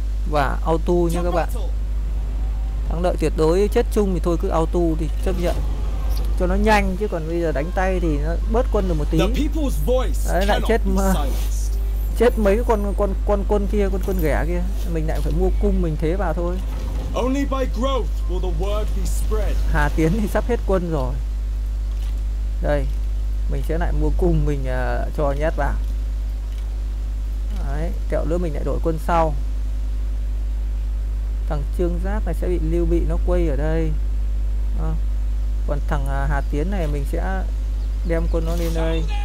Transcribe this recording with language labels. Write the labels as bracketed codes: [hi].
[vi] Và auto nha các bạn. Thắng lợi tuyệt đối, chết chung thì thôi cứ auto thì chấp nhận. Cho nó nhanh chứ còn bây giờ đánh tay thì nó bớt quân được một tí. Đấy lại chết chết mấy cái con kia, con ghẻ kia. Mình lại phải mua cung mình thế vào thôi. [en] Only by growth will the word be spread. [vi] Hà Tiến thì sắp hết quân rồi. Đây, mình sẽ lại mua cung mình cho nhét vào. Đấy, kẹo nữa mình lại đổi quân sau. Thằng Trương Giáp này sẽ bị Lưu Bị nó quay ở đây. Còn thằng Hà Tiến này mình sẽ đem quân nó lên đây.